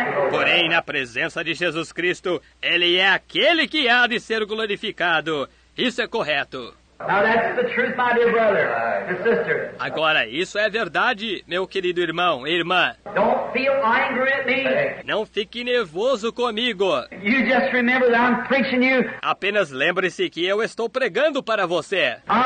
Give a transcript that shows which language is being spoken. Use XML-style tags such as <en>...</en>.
<pt>Porém, na presença de Jesus Cristo, ele é aquele que há de ser glorificado. Isso é correto.</pt> <en>Now that's the truth, my dear brother, the sister.</en> <pt>Agora, isso é verdade, meu querido irmão e irmã.</pt> <en>Don't feel angry at me.</en> <pt>Não fique nervoso comigo.</pt> <en>You just remember that I'm preaching you.</en> <pt>Apenas lembre-se que eu estou pregando para você.</pt>